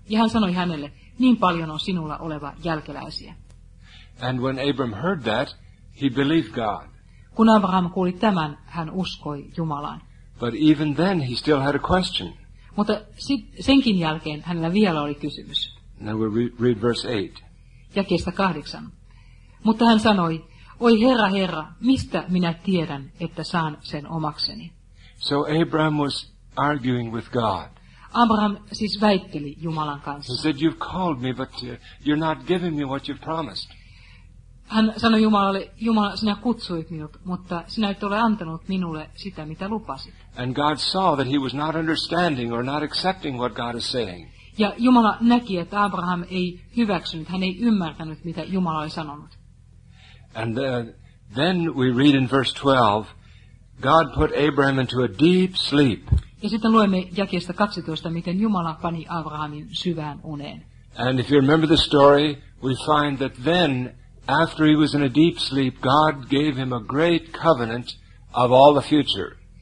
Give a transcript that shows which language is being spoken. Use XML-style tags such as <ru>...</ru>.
<fi>Ja hän sanoi hänelle, niin paljon on sinulla oleva jälkeläisiä.</fi> <en>And when Abram heard that, he believed God.</en> <fi>Kun Abraham kuuli tämän, hän uskoi Jumalaan.</fi> <en>But even then he still had a question.</en> <fi>Mutta senkin jälkeen hänellä vielä oli kysymys.</fi> <en>Now we read verse 8.</en> <fi>Jakeesta 8. Mutta hän sanoi, Oi Herra, Herra, mistä minä tiedän, että saan sen omakseni?</fi> <en>So Abraham was arguing with God.</en> <fi>Abraham siis väitteli Jumalan kanssa.</fi> <en>He said, you've called me, but you're not giving me what you've promised.</en> <fi>Hän sanoi Jumalalle, Jumala, sinä kutsuit minut, mutta sinä et ole antanut minulle sitä, mitä lupasit.</fi> <en>And God saw that he was not understanding or not accepting what God is saying.</en> <fi>Ja Jumala näki, että Abraham ei hyväksynyt, hän ei ymmärtänyt, mitä Jumala oli sanonut.</fi> <en>And then we read in verse 12, God put Abraham into a deep sleep.</en> <fi>Ja sitten luemme jakeesta 12, miten Jumala pani Abrahamin syvään uneen.</fi> <en>And if you remember the story, we find that then, after he was in a deep sleep, God gave him a great covenant of all the future.</en>